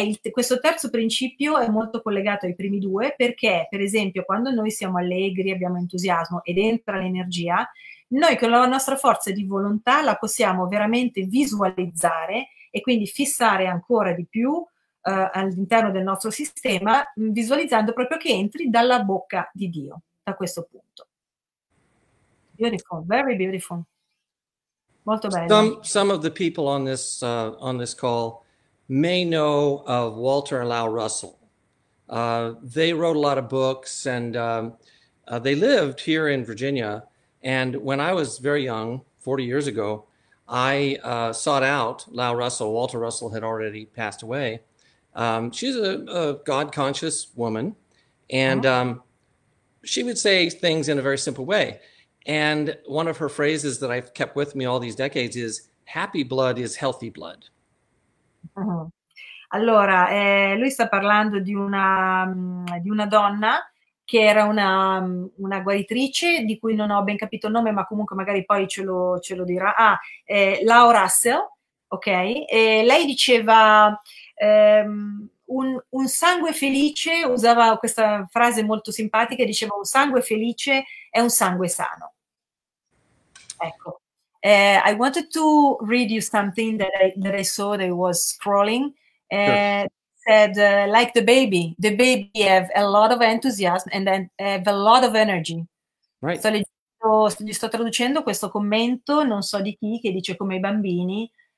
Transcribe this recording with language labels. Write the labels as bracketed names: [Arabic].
[Italian] Questo terzo principio è molto collegato ai primi due perché, per esempio, quando noi siamo allegri, abbiamo entusiasmo ed entra l'energia, noi con la nostra forza di volontà la possiamo veramente visualizzare e quindi fissare ancora di più all'interno del nostro sistema, visualizzando proprio che entri dalla bocca di Dio, da questo punto. [English] Beautiful, very beautiful. [Italian] Molto bello. [English] Some of the people on this call may know of Walter and Lau Russell. They wrote a lot of books, and they lived here in Virginia. And when I was very young, 40 years ago, I sought out Lau Russell. Walter Russell had already passed away. She's a God-conscious woman, and she would say things in a very simple way. And one of her phrases that I've kept with me all these decades is, happy blood is healthy blood. [Italian] Allora, lui sta parlando di una donna che era una guaritrice, di cui non ho ben capito il nome, ma comunque magari poi ce lo dirà. Lau Russell, ok? E lei diceva... un sangue felice, usava questa frase molto simpatica, diceva un sangue felice è un sangue sano. Ecco. [English] I wanted to read you something that I saw that I was scrolling. Said, like the baby have a lot of enthusiasm and then have a lot of energy. Right. [Italian] So gli sto traducendo questo commento, non so di chi, che dice come i bambini...